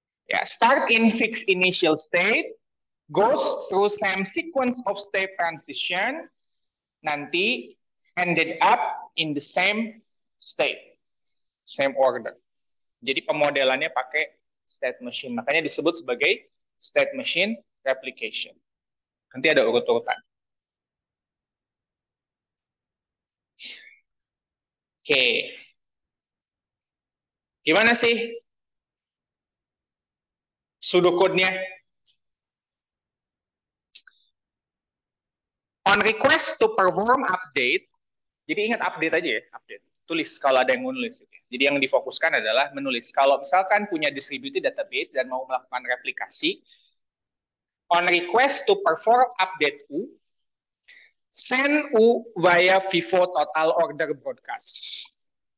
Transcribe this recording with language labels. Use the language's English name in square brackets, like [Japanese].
[English] Ya, start in fixed initial state, goes through same sequence of state transition, nanti ended up in the same state, same order. [Indonesian] Jadi pemodelannya pakai state machine. Makanya disebut sebagai state machine replication. Nanti ada urut-urutan. Oke. Gimana sih pseudocode-nya? [English] On request to perform update, [Indonesian] Jadi ingat update aja ya, update. Tulis kalau ada yang mau nulis. Gitu. Jadi yang difokuskan adalah menulis. Kalau misalkan punya distributed database dan mau melakukan replikasi, [English] on request to perform update U, send U via FIFO total order broadcast.